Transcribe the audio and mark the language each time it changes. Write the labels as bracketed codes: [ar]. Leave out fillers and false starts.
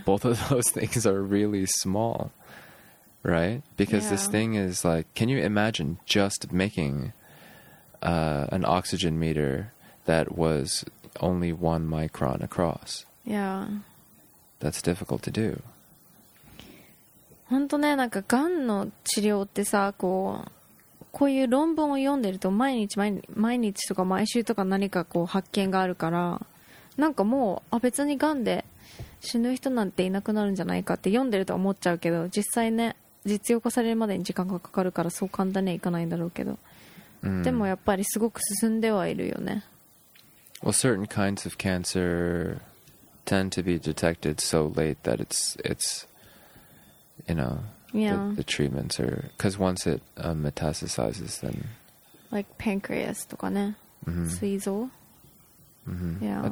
[en] Both of those things are really small, right? Because yeah. This thing is like, can you imagine just making an oxygen meter that was only one micron across? Yeah. That's difficult to do. [ja] 本当ね、なんかがんの治療ってさ、こういう論文を読んでると毎日とか毎週とか何かこう発見があるから、なんかもう別にがんで死ぬ人なんていなくなるんじゃないかって読んでると思っちゃうけど、実際ね、実用化されるまでに時間がかかるからそう簡単にはいかないんだろうけど、でもやっぱりすごく進んではいるよね。 [en] Well, certain kinds of cancerTend to be detected so late that it's you know, yeah. the treatments are, because once it metastasizes, then like pancreas [ja] とかね、膵臓、 [en] yeah.